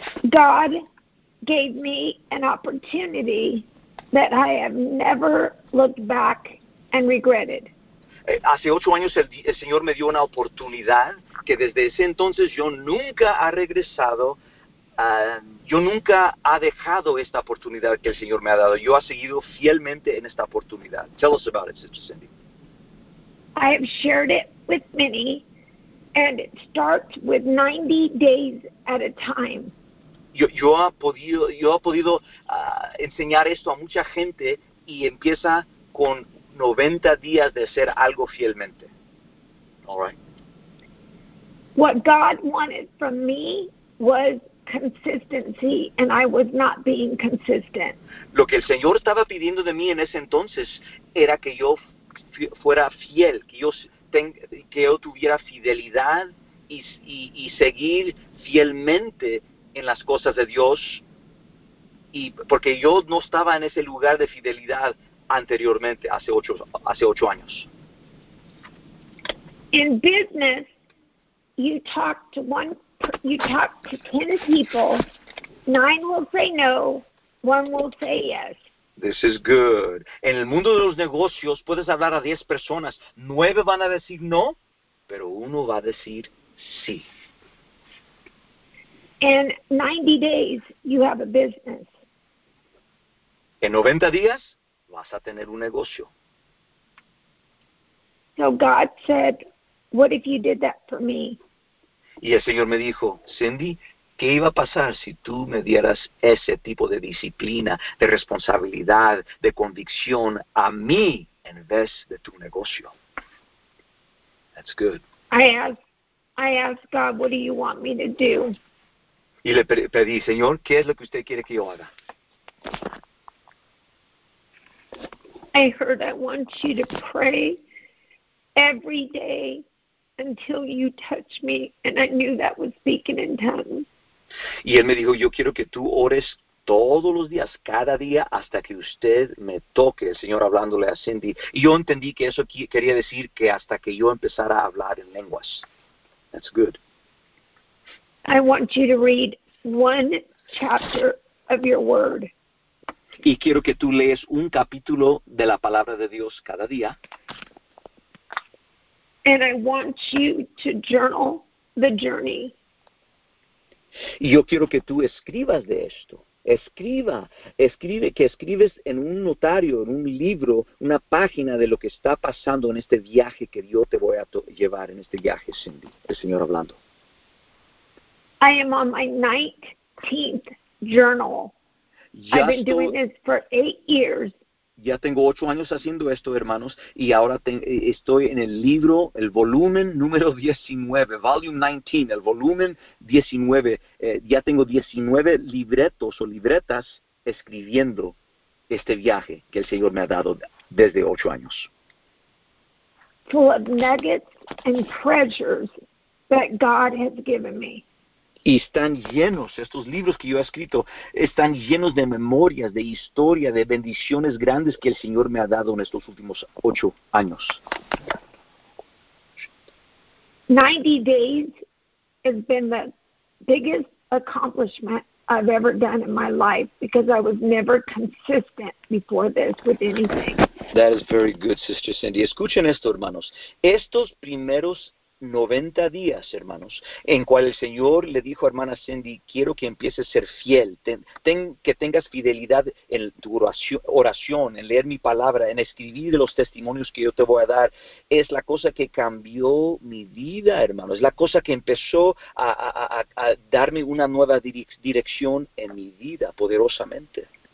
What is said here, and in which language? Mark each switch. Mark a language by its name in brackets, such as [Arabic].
[English] God gave me an opportunity that I have never looked back and regretted. [Spanish] Hace 8 años el Señor me dio una oportunidad que desde ese entonces yo nunca ha regresado, yo nunca ha dejado esta oportunidad que el Señor me ha dado. Yo ha seguido fielmente en esta oportunidad. [English] Tell us about it, Sister Cindy. I have shared it with many, and it starts with 90 days at a time. [Spanish] Yo he podido enseñar esto a mucha gente, y empieza con 90 días de hacer algo fielmente. [English] All right. What God wanted from me was consistency, and I was not being consistent. [Spanish] Lo que el Señor estaba pidiendo de mí en ese entonces era que yo fuera fiel, que yo tuviera fidelidad y seguir fielmente en las cosas de Dios, y porque yo no estaba en ese lugar de fidelidad anteriormente, hace ocho años. [English] In business, you talk to 10 people, 9 will say no, 1 will say yes. This is good. [Spanish] En el mundo de los negocios, puedes hablar a 10 personas. 9 van a decir no, pero 1 va a decir sí. [English] In 90 days, you have a business. [Spanish] En 90 días, vas a tener un negocio. [English] So God said, "What if you did that for me?" [Spanish] Y el Señor me dijo, Cindy, ¿Qué iba a pasar si tú me dieras ese tipo de disciplina, de responsabilidad, de convicción a mí en vez de tu negocio? [English] That's good. I ask God, what do you want me to do? [Spanish] Y le pedí, Señor, ¿qué es lo que usted quiere que yo haga? [English] I heard I want you to pray every day until you touch me, and I knew that was speaking in tongues. [Spanish] Y él me dijo, yo quiero que tú ores todos los días, cada día, hasta que usted me toque, el Señor hablándole a Cindy. Y yo entendí que eso quería decir que hasta que yo empezara a hablar en lenguas. [English] That's good. I want you to read one chapter of your word. [Spanish] Y quiero que tú lees un capítulo de la palabra de Dios cada día. [English] And I want you to journal the journey. [Spanish] Y yo quiero que tú escribas de esto. Escribe, que escribes en un notario, en un libro, una página de lo que está pasando en este viaje que yo te voy a llevar en este viaje, Cindy, el Señor hablando. [English] I am on my 19th journal. I've been doing this for 8 years. [Spanish] Ya tengo 8 años haciendo esto, hermanos, y ahora estoy en el libro, el volumen número 19, [English] volume 19, [Spanish] el volumen 19. Ya tengo 19 libretos o libretas escribiendo este viaje que el Señor me ha dado desde 8 años. [English] Full of nuggets and treasures that God has given me. [Spanish] Y están llenos, estos libros que yo he escrito, están llenos de memorias, de historia, de bendiciones grandes que el Señor me ha dado en estos últimos 8 años. [English] 90 days has been the biggest accomplishment I've ever done in my life because I was never consistent before this with anything. That is very good, Sister Cindy. [Spanish] Escuchen esto, hermanos. Estos primeros 90 días, hermanos, en cual el Señor le dijo a hermana Cindy, quiero que empieces a ser fiel, que tengas fidelidad en tu oración, en leer mi palabra, en escribir los testimonios que yo te voy a dar, es la cosa que cambió mi vida, hermanos, es la cosa que empezó a darme una nueva dirección en mi vida, poderosamente.